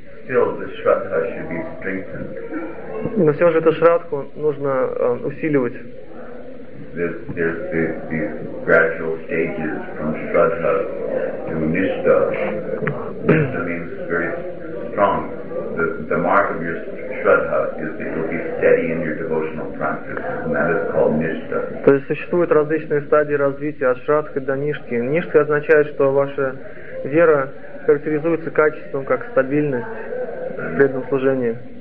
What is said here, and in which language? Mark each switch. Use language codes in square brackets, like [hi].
[en] Still, the Shraddha should be strengthened. [ru] Но все же эту Шраддху нужно усиливать. [en] There's these gradual stages from Shraddha to Nishtha. Nishtha means very strong. The mark of your Shraddha is that you'll be steady in your devotional practice, and that is called Nishtha. [ru] То есть существуют различные стадии развития от Шраддхи до Ништхи. Ништха означает, что ваша вера характеризуется качеством как стабильность в преданном служении.